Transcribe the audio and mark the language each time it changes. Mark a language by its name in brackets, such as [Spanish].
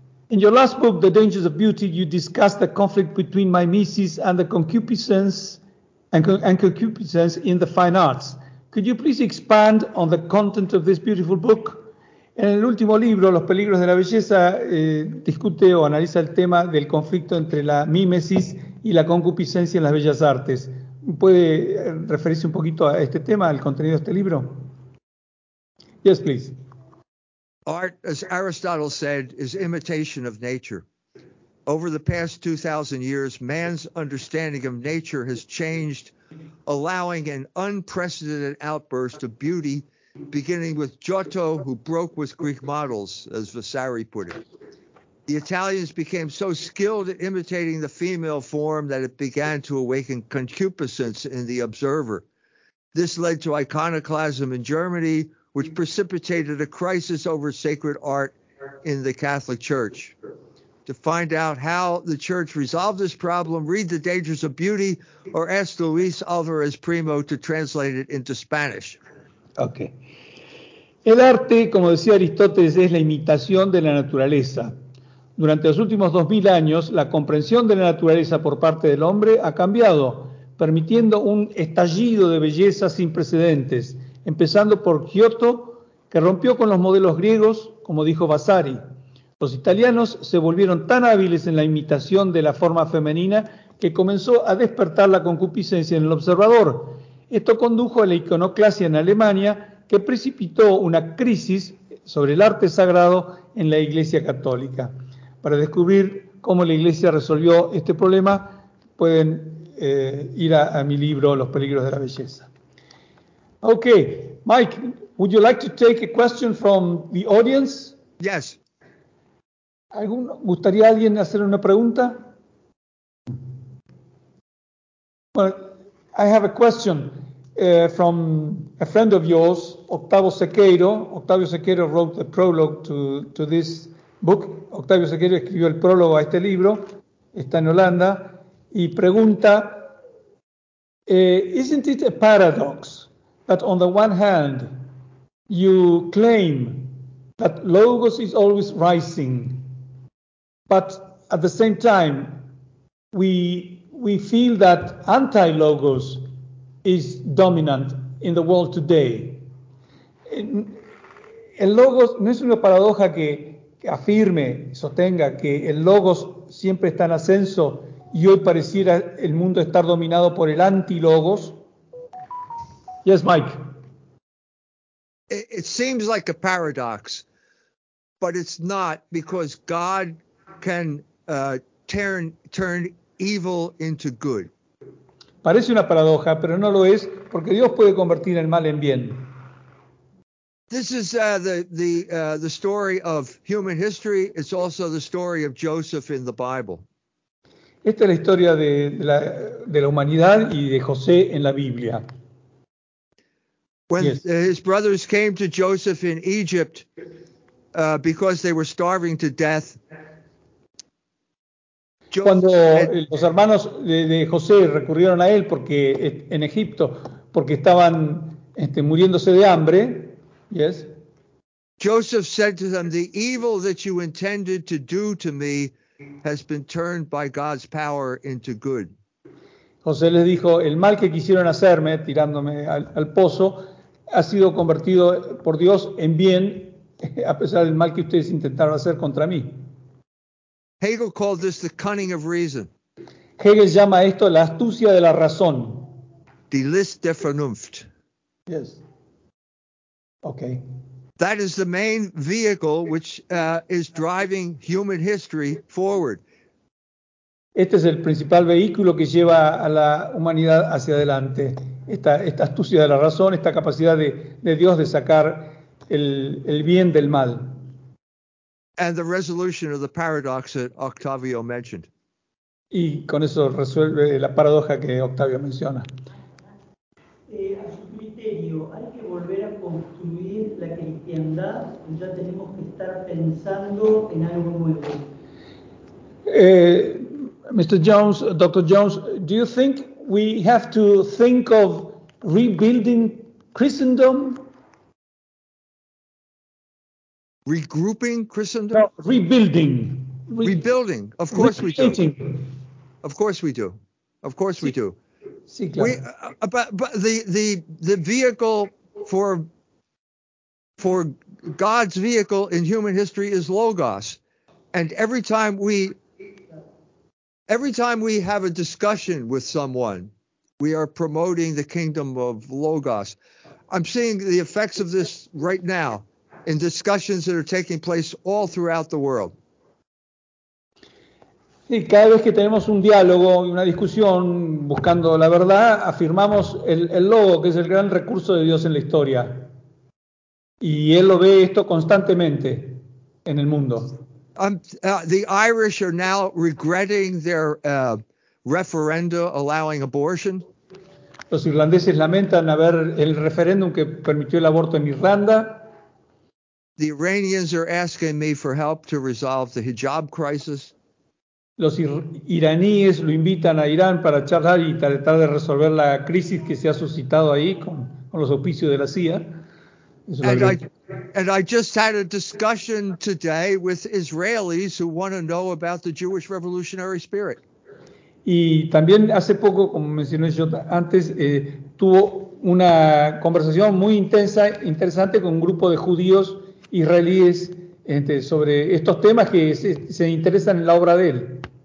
[English] In your last book, The Dangers of Beauty, you discussed the conflict between mimesis and the concupiscence and concupiscence in the fine arts. Could you please expand on the content of this beautiful book? [Spanish] En el último libro, Los peligros de la belleza, discute o analiza el tema del conflicto entre la mímesis y la concupiscencia en las bellas artes. ¿Puede referirse un poquito a este tema, al contenido de este libro? [English] Yes, please. Art, as Aristotle said, is imitation of nature. Over the past 2,000 years, man's understanding of nature has changed, allowing an unprecedented outburst of beauty, beginning with Giotto, who broke with Greek models, as Vasari put it. The Italians became so skilled at imitating the female form that it began to awaken concupiscence in the observer. This led to iconoclasm in Germany, which precipitated a crisis over sacred art in the Catholic Church. To find out how the church resolved this problem, read The Dangers of Beauty or ask Luis Alvarez Primo to translate it into Spanish. Okay. [Spanish] El arte, como decía Aristóteles, es la imitación de la naturaleza. Durante los últimos 2000 años, la comprensión de la naturaleza por parte del hombre ha cambiado, permitiendo un estallido de belleza sin precedentes, empezando por Giotto, que rompió con los modelos griegos, como dijo Vasari. Los italianos se volvieron tan hábiles en la imitación de la forma femenina que comenzó a despertar la concupiscencia en el observador. Esto condujo a la iconoclasia en Alemania, que precipitó una crisis sobre el arte sagrado en la Iglesia Católica. Para descubrir cómo la Iglesia resolvió este problema, pueden ir a mi libro Los peligros de la belleza. [English] Okay, Mike, would you like to take a question from the audience? Yes. [Spanish] ¿Gustaría alguien hacer una pregunta? [English] Well, I have a question from a friend of yours, Octavio Sequeiro. Octavio Sequeiro wrote the prologue to this book. [Spanish] Octavio Sequeiro escribió el prólogo a este libro. Está en Holanda. Y pregunta, [English] isn't it a paradox that on the one hand, you claim that Logos is always rising, but at the same time, we feel that anti-Logos is dominant in the world today. [Spanish] El Logos no es una paradoja que afirme, sostenga que el Logos siempre está en ascenso y hoy pareciera el mundo estar dominado por el anti-Logos. [English] Yes, Mike. It seems like a paradox, but it's not, because God can turn evil into good. [Spanish] Parece una paradoja, pero no lo es, porque Dios puede convertir el mal en bien. [English] This is the story of human history. It's also the story of Joseph in the Bible. [Spanish] Esta es la historia de la humanidad y de José en la Biblia. [English] When his brothers came to Joseph in Egypt because they were starving to death. [Spanish] Cuando los hermanos de José recurrieron a él porque en Egipto porque estaban muriéndose de hambre. [English] Yes. Joseph said to them, "The evil that you intended to do to me has been turned by God's power into good." [Spanish] José les dijo, "El mal que quisieron hacerme tirándome al pozo ha sido convertido por Dios en bien, a pesar del mal que ustedes intentaron hacer contra mí." [English] Hegel called this the cunning of reason. [Spanish] Hegel llama esto la astucia de la razón. [German] Die List der Vernunft. [English] Yes. Okay. That is the main vehicle which is driving human history forward. [Spanish] Este es el principal vehículo que lleva a la humanidad hacia adelante. Esta astucia de la razón, esta capacidad de Dios de sacar el bien del mal. [English] And the resolution of the paradox that Octavio mentioned. [Spanish] Y con eso resuelve la paradoja que Octavio menciona. A su criterio, ¿hay que volver a construir la cristiandad o ya tenemos que estar pensando en algo nuevo? [English] Mr. Jones, Dr. Jones, do you think we have to think of rebuilding Christendom? Regrouping Christendom? No, rebuilding. Rebuilding. Of course we do. Of course we do. Of course we do. But the vehicle for God's vehicle in human history is Logos. And every time we have a discussion with someone, we are promoting the kingdom of Logos. I'm seeing the effects of this right now in discussions that are taking place all throughout the world. [Spanish] Sí, cada vez que tenemos un diálogo y una discusión buscando la verdad, afirmamos el logo, que es el gran recurso de Dios en la historia. Y él lo ve esto constantemente en el mundo. [English] The Irish are now regretting their referendum allowing abortion. [Spanish] Los irlandeses lamentan haber el referéndum que permitió el aborto en Irlanda. [English] The Iranians are asking me for help to resolve the hijab crisis. [Spanish] Los iraníes lo invitan a Irán para charlar y tratar de resolver la crisis que se ha suscitado ahí con los auspicios de la CIA. [English] And I just had a discussion today with Israelis who want to know about the Jewish revolutionary spirit. [Spanish] Y también hace poco, como mencioné yo antes, tuvo una conversación muy intensa, interesante con un grupo de judíos israelíes sobre estos temas que se interesan en la obra de él.